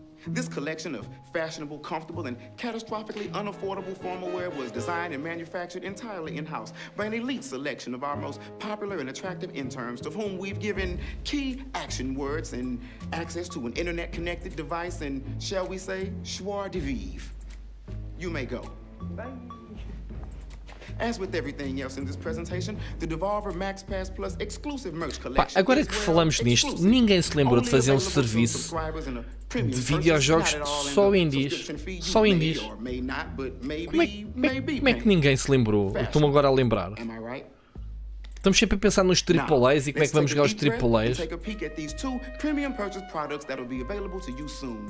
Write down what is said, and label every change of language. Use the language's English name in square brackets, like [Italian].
[English] This collection of fashionable, comfortable, and catastrophically unaffordable formal wear was designed and manufactured entirely in-house by an elite selection of our most popular and attractive interns, to whom we've given key action words and access to an internet-connected device and, shall we say, joie de vivre. You may go. Bye. As with everything else in this presentation, the Devolver MaxPass Plus exclusive merch collection. [Portuguese] Pá, agora que falamos nisto, ninguém se lembrou de fazer um serviço de videojogos só indies. Só indies. Como é que ninguém se lembrou? Estou-me agora a lembrar. Estamos sempre a pensar nos AAAs e como é que vamos jogar os AAAs. [English] Take a peek at these two premium purchase products that will be available to you soon.